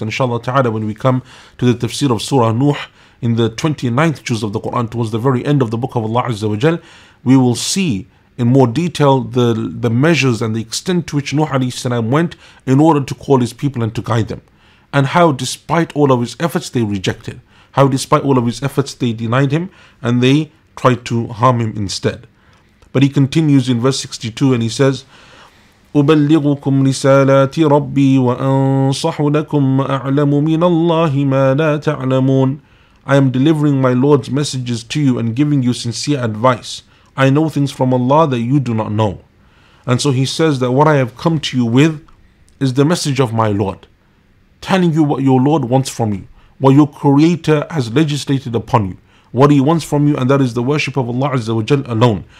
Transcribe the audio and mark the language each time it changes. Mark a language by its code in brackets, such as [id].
[en] Inshallah ta'ala, when we come to the tafsir of Surah Nuh in the 29th juz of the Quran, towards the very end of the book of Allah Azza wa Jal, we will see in more detail the measures and the extent to which Nuh alayhi salam went in order to call his people and to guide them, and how despite all of his efforts they rejected, how despite all of his efforts they denied him and they tried to harm him instead. But he continues in verse 62 and he says, [ar] أبلغكم رسالات ربي وأنصح لكم أعلم من الله ما لا تعلمون. [en] I am delivering my Lord's messages to you and giving you sincere advice. I know things from Allah that you do not know. And so he says that what I have come to you with is the message of my Lord, telling you what your Lord wants from you, what your Creator has legislated upon you, what he wants from you, and that is the worship of Allah Azza wa Jal alone.